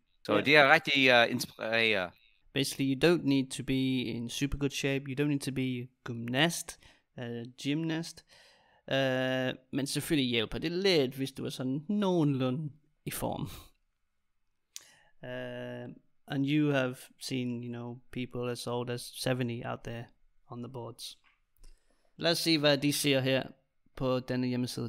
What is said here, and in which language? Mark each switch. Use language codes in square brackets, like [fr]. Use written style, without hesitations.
[da] So yeah. Det er rigtig inspireret. [en] Basically, you don't need to be in super good shape. You don't need to be gymnast, gymnast. [da] Men selvfølgelig hjælper det lidt, hvis du er sådan nogenlunde i form. [en] And you have seen, you know, people as old as 70 out there on the boards. [da] Lad os se, hvad de siger her på denne hjemmeside.